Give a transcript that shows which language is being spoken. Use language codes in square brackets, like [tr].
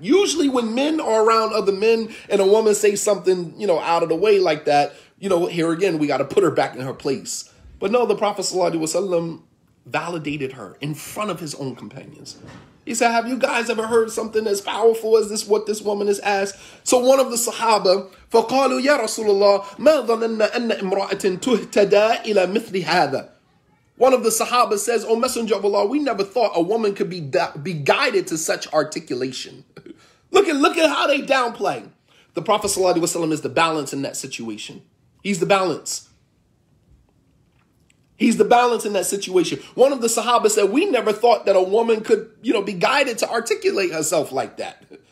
[en] Usually when men are around other men and a woman says something, you know, out of the way like that, you know, here again, we got to put her back in her place. But no, the Prophet sallallahu alaihi wasallam validated her in front of his own companions. He said, have you guys ever heard something as powerful as this, what this woman has asked? [ar] So one of the Sahaba, فَقَالُوا يَا رَسُولَ اللَّهِ مَا ظَنَنَّ أَنَّ إِمْرَأَةٍ تُهْتَدَى إِلَى مِثْلِ هَذَا. [en] One of the Sahaba says, "O Messenger of Allah, we never thought a woman could be guided to such articulation." look at how they downplay. The Prophet Sallallahu Alaihi Wasallam is the balance in that situation. He's the balance. He's the balance in that situation. One of the Sahaba said, "We never thought that a woman could, you know, be guided to articulate herself like that."